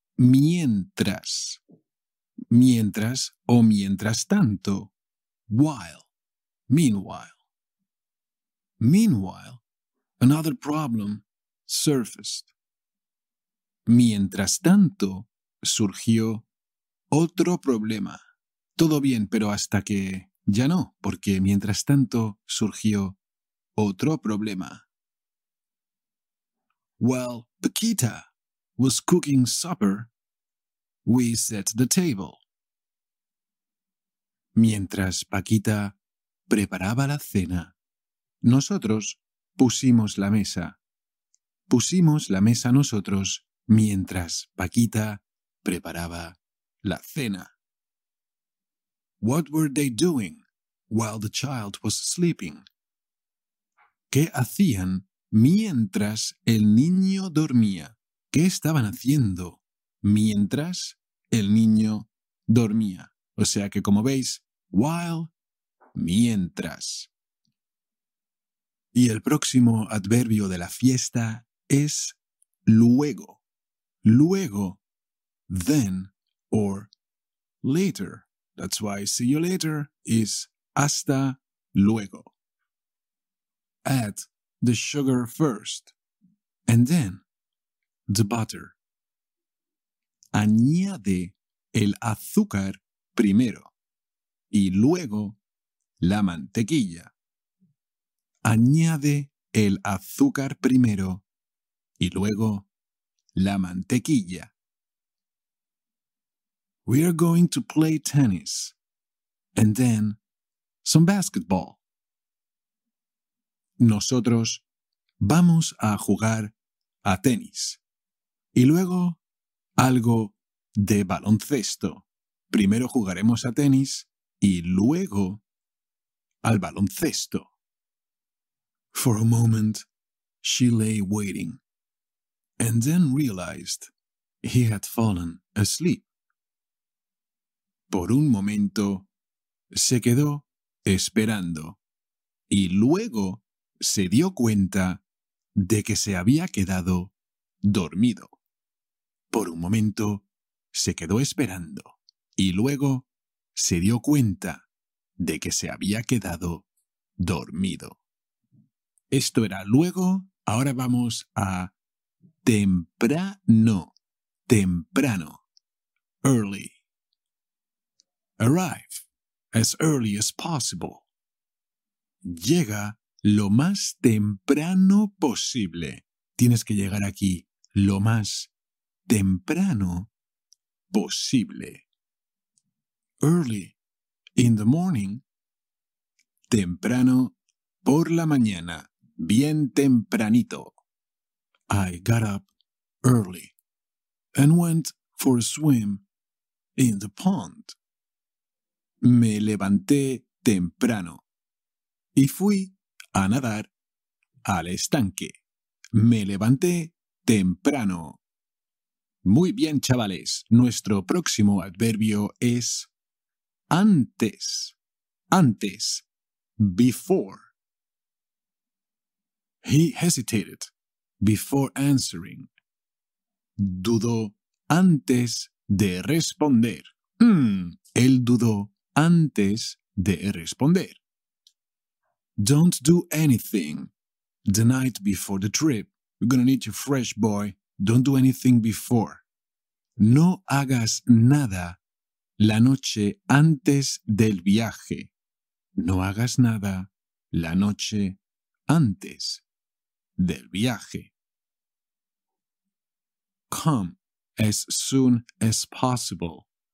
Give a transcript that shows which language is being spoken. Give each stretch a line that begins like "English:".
Spanish: mientras, mientras o mientras tanto.
English: While, meanwhile. Meanwhile, another problem surfaced.
Spanish: Mientras tanto, surgió otro problema. Todo bien, pero hasta que ya no, porque mientras tanto surgió otro problema.
English: While Paquita was cooking supper, we set the table.
Spanish: Mientras Paquita preparaba la cena, nosotros pusimos la mesa. Pusimos la mesa nosotros mientras Paquita preparaba la cena.
English: What were they doing while the child was sleeping?
Spanish: ¿Qué hacían mientras el niño dormía? ¿Qué estaban haciendo mientras el niño dormía? O sea que, como veis, while, mientras. Y el próximo adverbio de la fiesta es luego.
English: Luego, then or later. That's why see you later is
Spanish: hasta luego.
English: Add the sugar first and then the butter.
Spanish: Añade el azúcar primero y luego la mantequilla. Añade el azúcar primero y luego la mantequilla.
English: We are going to play tennis and then some basketball.
Spanish: Nosotros vamos a jugar a tenis y luego algo de baloncesto. Primero jugaremos a tenis y luego al baloncesto.
English: For a moment, she lay waiting and then realized he had fallen asleep.
Spanish: Por un momento, se quedó esperando y luego se dio cuenta de que se había quedado dormido. Por un momento, se quedó esperando y luego se dio cuenta de que se había quedado dormido. Esto era luego, ahora vamos a temprano, temprano, early.
English: Arrive as early as possible.
Spanish: Llega lo más temprano posible. Tienes que llegar aquí lo más temprano posible.
English: Early in the morning.
Spanish: Temprano por la mañana. Bien tempranito.
English: I got up early and went for a swim in the pond.
Spanish: Me levanté temprano y fui a nadar al estanque. Me levanté temprano. Muy bien, chavales. Nuestro próximo adverbio es antes. Antes. Before.
English: He hesitated before answering.
Spanish: Dudó antes de responder. Él dudó antes de responder.
English: Don't do anything the night before the trip. You're gonna need your fresh boy. Don't do anything before.
Spanish: No hagas nada la noche antes del viaje. No hagas nada la noche antes del viaje.
English: Come as soon as possible.